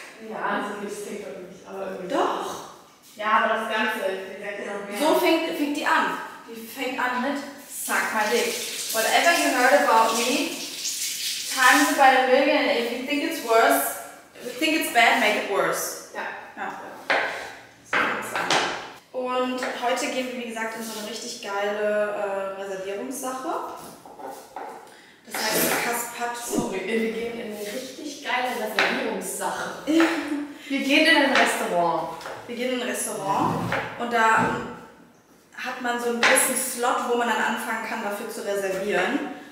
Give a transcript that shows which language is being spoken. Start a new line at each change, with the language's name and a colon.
German: Ja, also dieses TikTok nicht, aber irgendwie. Doch! Ja, aber das Ganze, ich denke noch mehr. So fängt die an. Die fängt an mit, sag mal dick.
English: Whatever you heard about me, times it by a million, if you think it's worse, if you think it's bad, make it worse.
German: Ja. Ja. Und heute gehen wir, wie gesagt, in so eine richtig geile Reservierungssache. Das heißt, Kaspat, sorry, wir gehen in eine richtig geile Reservierungssache. Wir gehen in ein Restaurant. Wir gehen in ein Restaurant und da hat man so ein bisschen Slot, wo man dann anfangen kann, dafür zu reservieren.